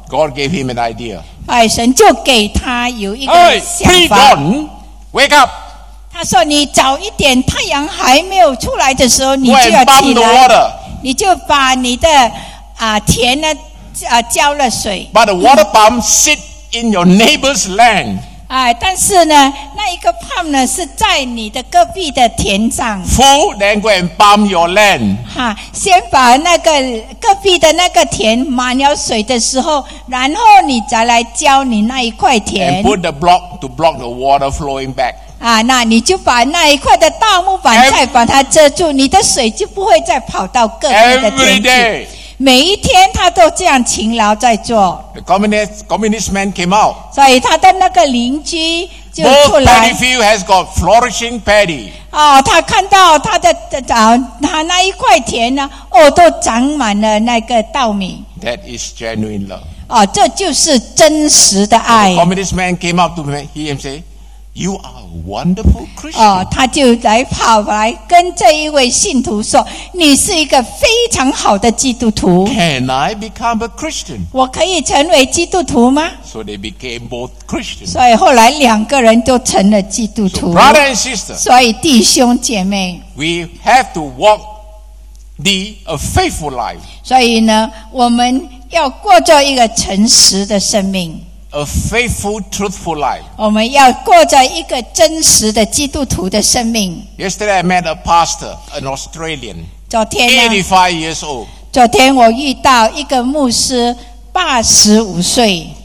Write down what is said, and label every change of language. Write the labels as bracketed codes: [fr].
[en] ？God gave him an idea。 [zh] 哎，神就给他有一个想法。 [en] Hey，Wake up！ [zh] 他说你早一点太阳还没有出来的时候你就要起来你就把你的、田呢、浇了水 [en] But the water pump sit in your neighbor's land、 [zh] 但是呢那一个 pump 呢是在你的隔壁的田上 [en] Full then go and pump your land、 [zh] 先把那个隔壁的那个田满了水的时候然后你再来浇你那一块田 [en] And put the block to block the water flowing back [zh] 那你就把那一块的大木板再把它遮住你的水就不会再跑到各地的田去每一天他都这样勤劳在做 [en] The communist man came out [zh] 所以他的那个邻居就出来 [en] Both paddy field has got flourishing paddy [zh] 他看到他的、他那一块田呢都长满了那个稻米 [en] That is genuine love [zh] 这就是真实的爱 [en] The communist man came out to him say You areWonderful Christian. [zh] 他就来跑来跟这一位信徒说你是一个非常好的基督徒 [en] Can I become a Christian? [zh] 我可以成为基督徒吗 [en] So they became both Christians. [zh] 所以后来两个人都成了基督徒 [en] So brother and sister, [zh] 所以弟兄姐妹 [en] We have to walk the a faithful life. [zh] 所以呢我们要过着一个诚实的生命 [en] A faithful, truthful life. [zh] 我们要过着一个真实的基督徒的生命。 [en] Yesterday I met a pastor, an Australian. [zh] 昨天呢 [en] 85 years old. [zh] 昨天我遇到一个牧师85岁。